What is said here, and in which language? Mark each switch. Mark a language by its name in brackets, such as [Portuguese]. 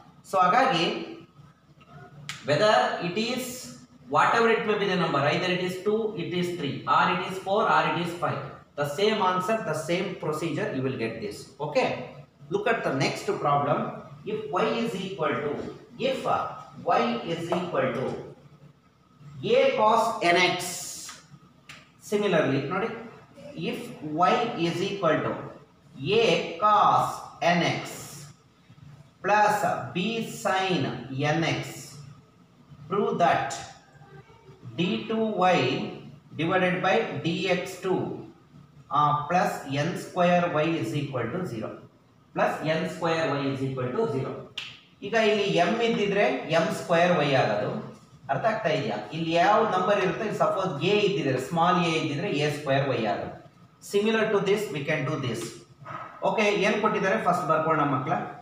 [English] So ಹಾಗಾಗಿ whether it is whatever it may be the number, either it is two, it is three, or it is four, or it is five, the same answer, the same procedure you will get this. Okay, look at the next problem. If y is equal to, if y is equal to a cos n x. Similarly ನೋಡಿ, if y is equal to a cos nx plus b sin nx, prove that d2y divided by dx2 plus n square y is equal to 0. Plus n square y is equal to 0. [Kannada] ಈಗ ಇಲ್ಲಿ m ಇದ್ದಿದ್ರೆ m square y ಆಗೋದು, ಅರ್ಥ ಆಗ್ತಾ ಇದೆಯಾ? ಇಲ್ಲಿ ಯಾವ number ಇರುತ್ತೆ, ಸಪೋಸ್ a ಇದ್ದಿದ್ರೆ, ಸ್ಮಾಲ್ a ಇದ್ದಿದ್ರೆ a square y ಆಗೋದು. [English] Similar to this we can do this. Okay, [Kannada] ಏನ್ ಕೊಟ್ಟಿದ್ದಾರೆ, ಫಸ್ಟ್ ಬರ್ಕೊಳ್ಳ ಮಕ್ಕಳ.